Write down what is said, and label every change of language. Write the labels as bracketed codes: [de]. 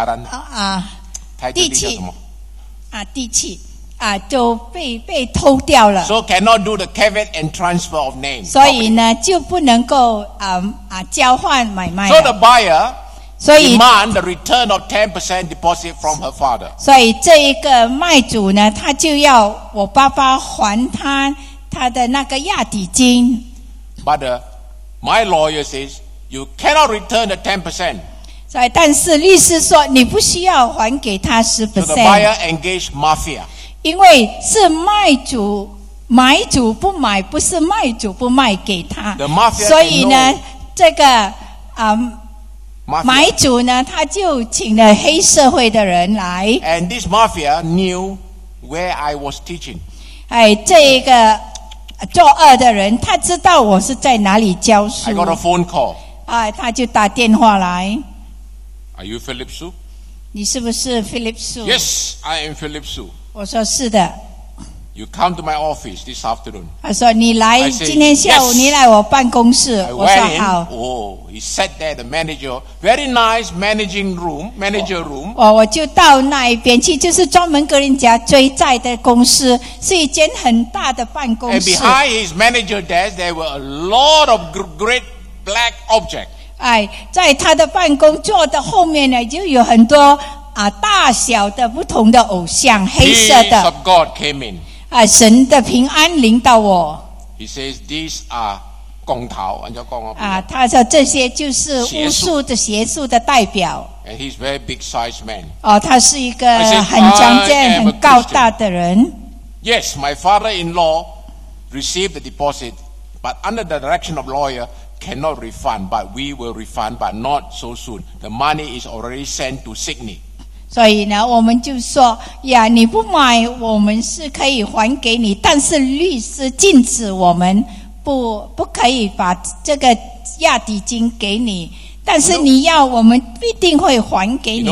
[zh] 啊啊，地契啊，地契啊，就被偷掉了。 [en] So cannot do the caveat and transfer of name. [zh] 所以呢，就不能够交换买卖。 [en] So the buyer. [zh] 所以 [en] demand the return of 10% deposit from her father. [zh] 所以这一个卖主呢，他就要我爸爸还他他的那个押底金。 [en] But my lawyer says you cannot return the 10%. [zh] 所以但是律师说你不需要还给他 [en] 10%. So the buyer engaged mafia. [zh] 因为是卖主。买主不买，不是卖主不卖给他。所以呢，这个买主呢，他就请了黑社会的人来。 [en] And this mafia knew where I was teaching. [zh] 哎，这一个作恶的人，他知道我是在哪里教书。 [en] I got a phone call. [zh] 啊，他就打电话来。 [en] Are you Philip Su? [zh] 你是不是 Philip Su? [en] Yes, I am Philip Su. [zh] 我说是的。 [en] You come to my office this afternoon. [zh] 他说你来 [en] say, [zh] 今天下午、 [en] yes. [zh] 你来我办公室。我说好。 [en] Oh, he sat there, the manager, very nice managing room, manager room. [zh] 我就到那一边去，就是专门跟人家追债的公司，是一间很大的办公室。 [en] And behind his manager desk, there were a lot of great black objects. [zh] 哎，在他的办公桌的后面呢，就有很多啊大小的不同的偶像，黑色的。 [en] Peace of God came in. [zh] 啊、神的平安临到我。 [en] He says these are [zh] 公头，按照公啊。他说这些就是巫术的邪术的代表。 [en] And he's very big size man. [zh] 哦，他是一个很强健、很高大的人。 [en] Yes, my father-in-law received the deposit, but under the direction of lawyer cannot refund. But we will refund, but not so soon. The money is already sent to Sydney. [zh] 所以呢，我们就说呀，你不买，我们是可以还给你，但是律师禁止我们不可以把这个押底金给你，但是你要我们必定会还给你的。